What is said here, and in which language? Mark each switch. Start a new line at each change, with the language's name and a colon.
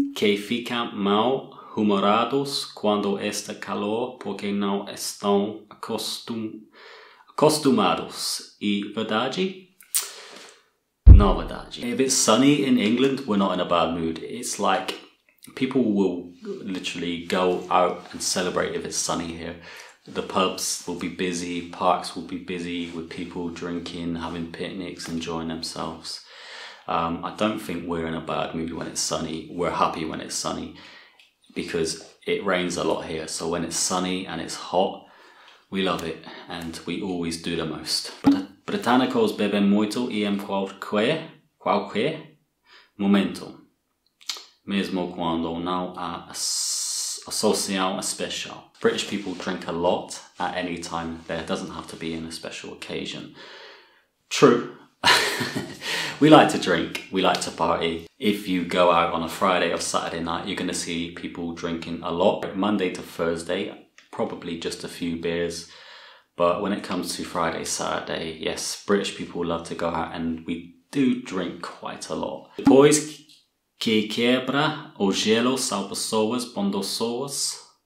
Portuguese: Que ficam mal humorados quando está calor porque não estão acostumados. E verdade? Não verdade.
English: If it's sunny in England, we're not in a bad mood. It's like people will literally go out and celebrate if it's sunny here. The pubs will be busy, parks will be busy with people drinking, having picnics, enjoying themselves. I don't think we're in a bad mood when it's sunny. We're happy when it's sunny because it rains a lot here. So when it's sunny and it's hot, we love it and we always do the most.
Portuguese: Britânicos bebem muito e em qualquer momento, mesmo quando não há a social especial.
English: British people drink a lot at any time. There doesn't have to be in a special occasion. True. We like to drink. We like to party. If you go out on a Friday or Saturday night, you're going to see people drinking a lot. Monday to Thursday, probably just a few beers. But when it comes to Friday, Saturday, yes, British people love to go out and we do drink quite a lot.
Portuguese: Depois que quebra o gelo, são pessoas bondosas.